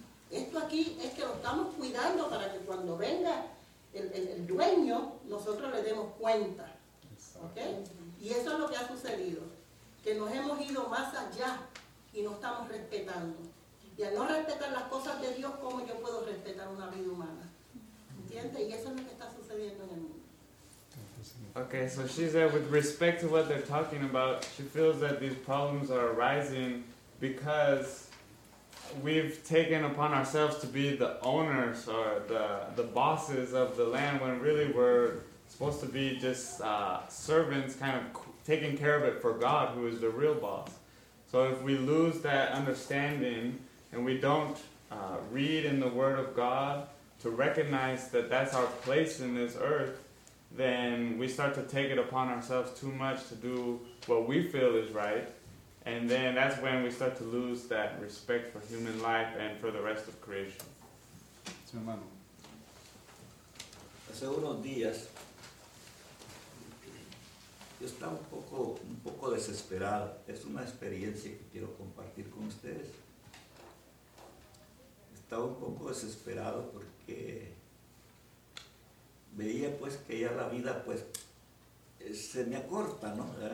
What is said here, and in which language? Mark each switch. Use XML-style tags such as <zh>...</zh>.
<es>Esto aquí es que lo estamos cuidando para que cuando venga el dueño, nosotros le demos cuenta. ¿Okay? Y eso es lo que ha sucedido. Que nos hemos ido más allá y no estamos respetando. Y al no respetar las cosas de Dios, ¿cómo yo puedo respetar una vida humana? ¿Entiendes? Y eso es lo que está sucediendo en el mundo.</es> <en>Okay, so she said, with respect to what they're talking about, she feels that these problems are arising because we've taken upon ourselves to be the owners or the bosses of the land, when really we're supposed to be just servants, kind of taking care of it for God, who is the real boss. So if we lose that understanding and we don't read in the Word of God to recognize that that's our place in this earth, then we start to take it upon ourselves too much to do what we feel is right, And then that's when we start to lose that respect for human life and for the rest of creation.</en> <es>Hermano. Hace unos días yo estaba un poco desesperado. Es una experiencia que quiero compartir con ustedes. Estaba un poco desesperado porque veía pues que ya la vida pues se me acorta, ¿no?</es>